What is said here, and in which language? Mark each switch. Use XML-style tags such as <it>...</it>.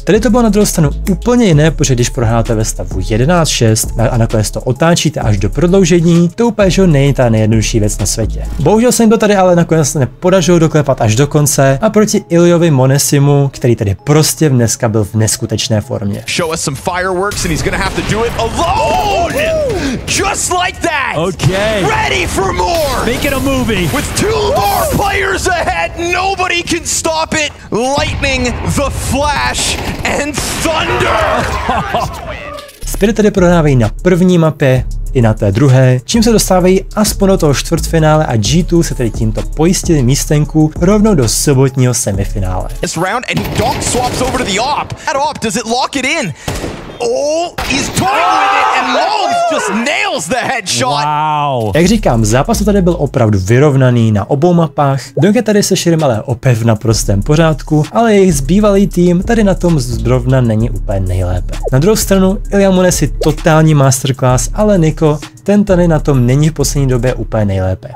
<cs>Tady to bylo na druhou stranu úplně jiné, protože když prohráte ve stavu 11-6 a nakonec to otáčíte až do prodloužení, to úplně že není ta nejjednodušší věc na světě. Bohužel se jim to tady ale nakonec nepodařilo doklepat až do konce a proti Illyovi Monesimu, který tady prostě dneska byl v neskutečné formě.</cs> <en>Show us some fireworks and he's gonna have to do it alone! Just like that! Okay. Ready for more! Make it a movie! With two more players ahead, nobody can stop it! Lightning, the Flash, and Thunder!</en> <cs>Spirit tady prohrávají na první mapě i na té druhé, čím se dostávají aspoň do toho čtvrtfinále a G2 se tady tímto pojistili místenku rovnou do sobotního semifinále.</cs> <en>This round and Donk swaps over to the op. That op, does it lock it in? Oh, he's toying with it and Mom just nails the headshot. Wow.</en> <cs>Jak říkám, zápas tady byl opravdu vyrovnaný na obou mapách. Donk je tady se Shirim ale opět v naprostém pořádku, ale jejich zbývalý tým tady na tom zrovna není úplně nejlépe. Na druhou stranu, Illya Mones je totální masterclass, ale Niko, ten tady na tom není v poslední době úplně nejlépe.</cs>